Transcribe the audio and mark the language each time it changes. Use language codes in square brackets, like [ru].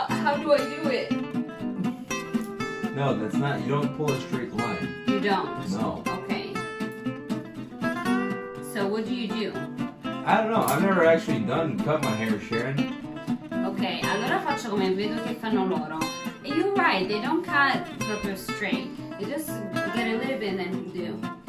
[en] No, that's not, you don't pull a straight line. You don't? No. Okay. So what do you do? I don't know, I've never actually done cut my hair, Sharon. [it] Okay, allora faccio come vedo che fanno loro. [en] And you're right, they don't cut proper straight. They just get a little bit and then do.